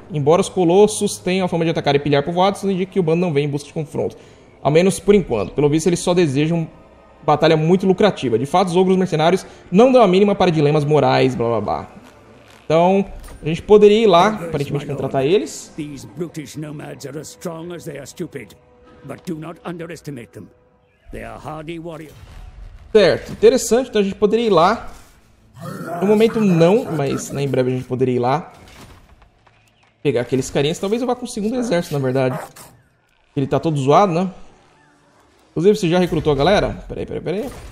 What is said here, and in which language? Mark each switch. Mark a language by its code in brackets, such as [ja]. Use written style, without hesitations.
[pt] Embora os colossos tenham a fama de atacar e pilhar povoados, isso indica que o bando não vem em busca de confronto. Ao menos por enquanto. Pelo visto, eles só desejam uma batalha muito lucrativa. De fato, os ogros mercenários não dão a mínima para dilemas morais, blá blá blá. Então, a gente poderia ir lá, aparentemente, contratar eles. [en] These brutish nomads are as strong as they are stupid. But do not underestimate them. They are hardy warriors. [pt] Certo, interessante. Então a gente poderia ir lá. No momento, não, mas né, em breve a gente poderia ir lá. Pegar aqueles carinhas. Talvez eu vá com o segundo exército, na verdade. Ele tá todo zoado, né? Inclusive, você já recrutou a galera? Peraí, peraí, peraí.